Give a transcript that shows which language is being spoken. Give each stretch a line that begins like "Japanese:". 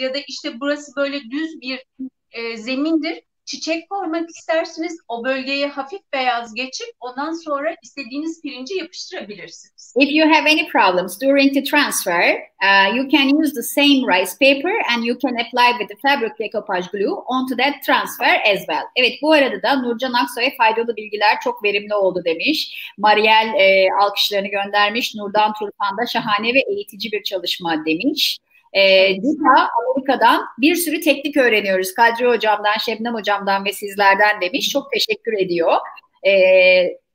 Turkish: Ya da işte burası böyle düz bir zemindir. Çiçek koymak istersiniz, o bölgeye hafif beyaz geçip ondan sonra istediğiniz pirinci yapıştırabilirsiniz.
English: If you have any problems during the transfer, you can use the same rice paper and you can apply with the fabric decoupage glue onto that transfer as well.
Turkish: Evet, bu arada da Nurcan Aksoy'a faydalı bilgiler, çok verimli oldu demiş. Mariel alkışlarını göndermiş. Nurdan Turpan da şahane ve eğitici bir çalışma demiş. Dita Amerika'dan bir sürü teknik öğreniyoruz. Kadri Hocam'dan, Şebnem Hocam'dan ve sizlerden demiş. Çok teşekkür ediyor. Evet.